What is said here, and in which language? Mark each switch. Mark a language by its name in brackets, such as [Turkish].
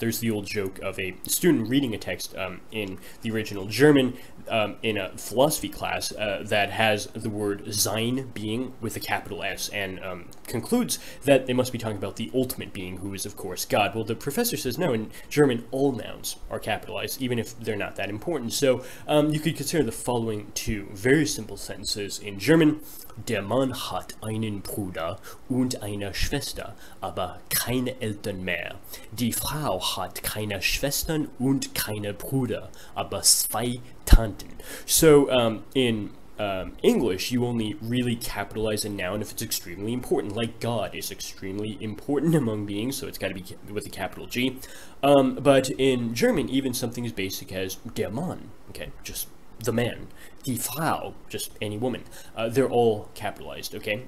[English] There's the old joke of a student reading a text in the original German in a philosophy class that has the word Sein being with a capital S, and concludes that they must be talking about the ultimate being, who is of course God. Well, the professor says no, in German all nouns are capitalized, even if they're not that important. So you could consider the following two very simple sentences in German. [German] Der Mann hat einen Bruder und eine Schwester, aber keine Eltern mehr. Die Frau hat keine Schwestern und keine Brüder, aber zwei Tanten. [English] So, in English, you only really capitalize a noun if it's extremely important, like God is extremely important among beings, so it's got to be with a capital G. But in German, even something as basic as [German] der Mann, [English] okay, just the man, [German] die Frau, [English] just any woman, they're all capitalized, okay?